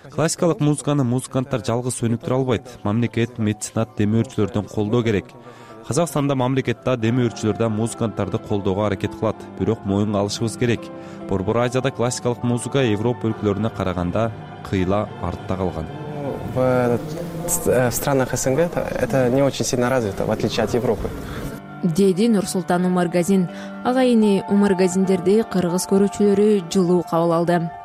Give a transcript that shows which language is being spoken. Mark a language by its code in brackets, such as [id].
[ky] Классикалык музыканы музыканттар жалгыз өнүктүрө албайт. Мамлекет, меценат, демөөрчүлөрдөн колдоо керек. Казахстанда мамлекетте демөөрчүлөрдөн музыканттарды колдоого аракет кылат, бирок моюнга алышыбыз керек. Борбор Азияда классикалык музыка Европа өлкөлөрүнө караганда кыйла артта калган. [ru] В странах СНГ это не очень сильно развито, в отличие от Европы. [ky] Деди Нурсултан Омургазин. Агайни Омургазиндерди кыргыз көрүүчүлөрү жылуу кабыл алды.